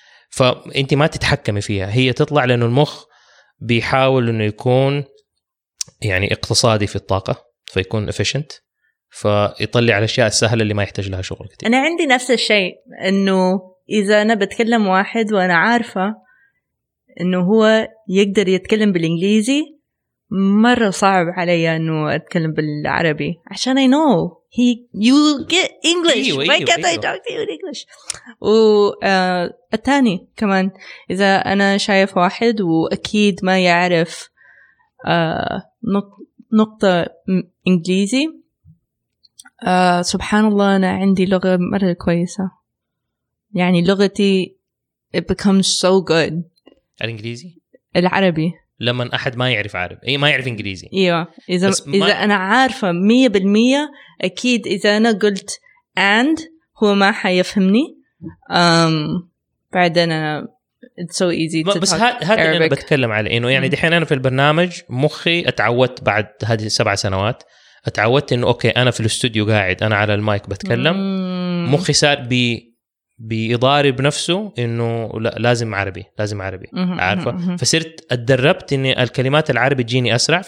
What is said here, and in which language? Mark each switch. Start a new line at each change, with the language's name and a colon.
Arabic: فانت ما تتحكمي فيها، هي تطلع لانه المخ بيحاول انه يكون يعني اقتصادي في الطاقه فيكون افيشنت، فيطلع على الاشياء السهله اللي ما يحتاج لها شغل كثير. انا عندي نفس الشيء انه اذا انا بتكلم واحد وانا عارفه انه هو يقدر يتكلم بالانجليزي مره صعب علي انه اتكلم بالعربي عشان
English: I know he you get English.
Arabic: أيوة
English: why أيوة can't أيوة. I talk to you in English.
Arabic: والثاني كمان إذا أنا شايف واحد وأكيد ما يعرف نقطة إنجليزي، سبحان الله أنا عندي لغة مرة كويسة، يعني لغتي
English: it becomes so good.
Arabic: الإنجليزي العربي لما احد ما يعرف عارف اي ما يعرف انجليزي. ايوه اذا انا عارفه 100% اكيد اذا انا قلت
English: and
Arabic: هو ما حيفهمني. بعدين انا
English: it's so easy to
Arabic: بس هذا اللي انا بتكلم عليه انه يعني دحين انا في البرنامج مخي اتعودت بعد هذه 7 سنوات اتعودت انه اوكي انا في الاستوديو قاعد انا على المايك بتكلم مخي صار بيضارب نفسه انه لا لازم عربي عارفه فصرت اتدربت ان الكلمات العربي تجيني اسرع.